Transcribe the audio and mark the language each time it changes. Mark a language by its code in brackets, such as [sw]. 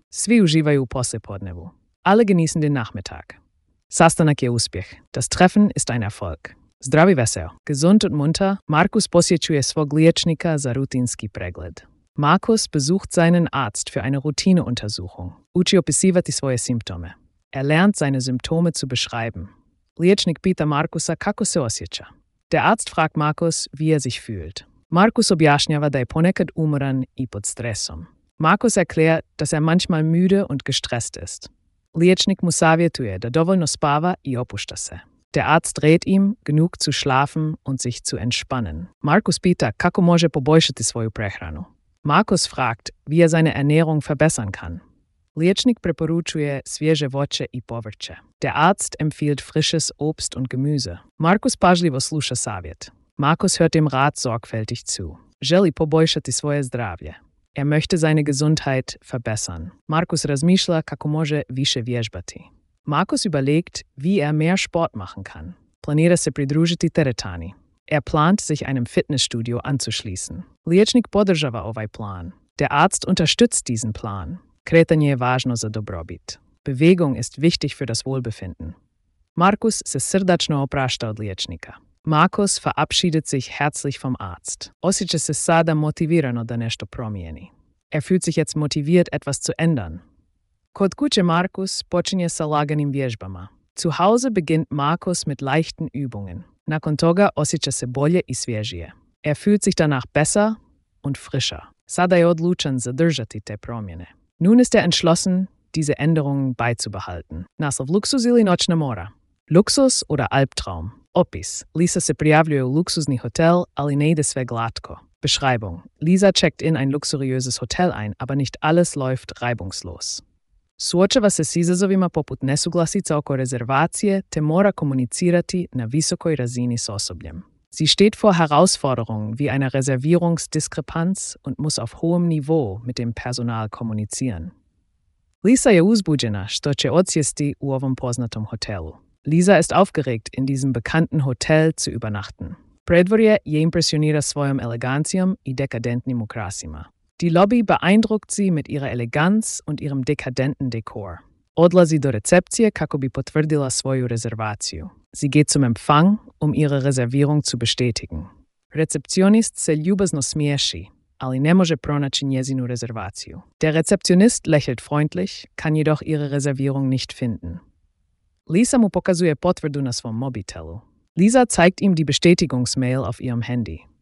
[hr] Svi uživaju u poslijepodnevu. [de] Alle genießen den Nachmittag. [hr] Sastanak je uspjeh. [de] Das Treffen ist ein Erfolg. [hr] Zdravi veseo. [de] Gesund und munter, [hr] Markus posjećuje svog liječnika za rutinski pregled. [de] Markus besucht seinen Arzt für eine Routineuntersuchung. [hr] Uči opisivati svoje simptome. [de] Er lernt, seine Symptome zu beschreiben. [hr] Liječnik pita Markusa kako se osjeća. [de] Der Arzt fragt Markus, wie er sich fühlt. [hr] Markus objašnjava da je ponekad umoran i pod stresom. [de] Markus erklärt, dass er manchmal müde und gestresst ist. [hr] Liječnik mu savjetuje da dovoljno spava i opušta se. [de] Der Arzt rät ihm, genug zu schlafen und sich zu entspannen. [hr] Markus pita kako može poboljšati svoju prehranu. [de] Markus fragt, wie er seine Ernährung verbessern kann. [hr] Liječnik preporučuje svježe voće i povrće. [de] Der Arzt empfiehlt frisches Obst und Gemüse. [hr] Markus pažljivo sluša savjet. [de] Markus hört dem Rat sorgfältig zu. [hr] Želi poboljšati svoje zdravlje. [de] Er möchte seine Gesundheit verbessern. [hr] Markus razmišlja kako može više vježbati. [de] Markus überlegt, wie er mehr Sport machen kann. [hr] Planira se pridružiti teretani. [de] Er plant, sich einem Fitnessstudio anzuschließen. [hr] Liječnik podržava ovaj plan. [de] Der Arzt unterstützt diesen Plan. [hr] Kretanje je važno za dobrobit. [de] Bewegung ist wichtig für das Wohlbefinden. [hr] Markus se srdačno oprašta od liječnika. [de] Markus verabschiedet sich herzlich vom Arzt. [hr] Osjeća se sada motivirano da nešto promijeni. [de] Er fühlt sich jetzt motiviert, etwas zu ändern. [hr] Kod kuće Markus počinje sa laganim vježbama. [de] Zu Hause beginnt Markus mit leichten Übungen. [hr] Nakon toga osjeća se bolje i svježije. [de] Er fühlt sich danach besser und frischer. [hr] Sada je odlučan zadržati te promjene. [de] Nun ist er entschlossen, diese Änderungen beizubehalten. [hr] Naslov Luxus ili noćna mora. [de] Luxus oder Albtraum. [hr] Opis. Lisa se prijavljuje u luksuzni hotel, ali ne ide sve glatko. [de] Beschreibung. Lisa checkt in ein luxuriöses Hotel ein, aber nicht alles läuft reibungslos. [hr] Suočava se s izazovima poput nesuglasica oko rezervacije, te mora komunicirati na visokoj razini s osobljem. [de] Sie steht vor Herausforderungen wie einer Reservierungsdiskrepanz und muss auf hohem Niveau mit dem Personal kommunizieren. [hr] Lisa je uzbuđena što će odsjesti u ovom poznatom hotelu. [de] Lisa ist aufgeregt, in diesem bekannten Hotel zu übernachten. [hr] Predvorje je impresionira svojom elegancijom i dekadentnim ukrasima. [de] Die Lobby beeindruckt sie mit ihrer Eleganz und ihrem dekadenten Dekor. [hr] Odlazi do recepcije kako bi potvrdila svoju rezervaciju. [de] Sie geht zum Empfang, um ihre Reservierung zu bestätigen. [hr] Rezeptionist se ljubazno smiješi, ali ne može pronaći njezinu rezervaciju. [de] Der Rezeptionist lächelt freundlich, kann jedoch ihre Reservierung nicht finden. [hr] Lisa mu pokazuje potvrdu na svom mobitelu. [de] Lisa zeigt ihm die Bestätigungsmail auf ihrem Handy.